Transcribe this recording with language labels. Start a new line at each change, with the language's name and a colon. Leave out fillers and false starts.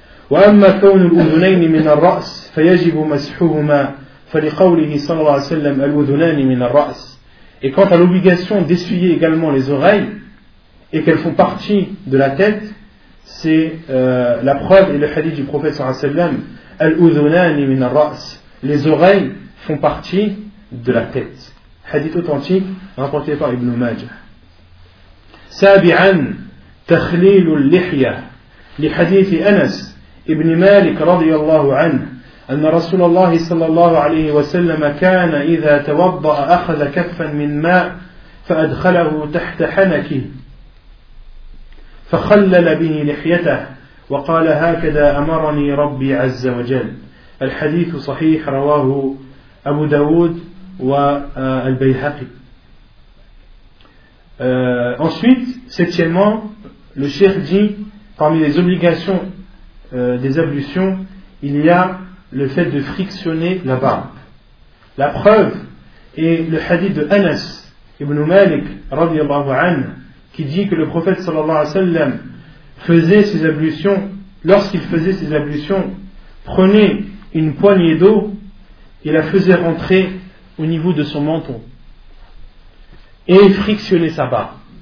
Arabic: وأما كون الأذنين من الرأس فيجب مسحهما فلقوله صلى الله عليه وسلم الأذنان من الرأس.
French: Et quant à l'obligation d'essuyer également les oreilles et qu'elles font partie de la tête, c'est la preuve et le hadith du prophète
Arabic: صلى الله عليه وسلم الأذنان من الرأس.
French: Les oreilles font partie de la tête. Hadith authentique rapporté par Ibn Majah.
Arabic: سابعا تخليل اللحية لحديث أنس ابن مالك رضي الله عنه أن رسول الله صلى الله عليه وسلم كان إذا توضأ أخذ كفا من ماء فأدخله تحت حنكه فخلل به لحيته وقال هكذا أمرني ربي عز وجل. الحديث صحيح رواه أبو داود والبيهقي.
French: Ensuite, septièmement, le cheikh dit, parmi les obligations des ablutions, il y a le fait de frictionner la barbe. La preuve est le hadith de Anas ibn Malik radiyallahu anhu qui dit que le prophète sallallahu alayhi wa sallam faisait ses ablutions, lorsqu'il faisait ses ablutions, prenait une poignée d'eau et la faisait rentrer au niveau de son menton et frictionnait sa barbe.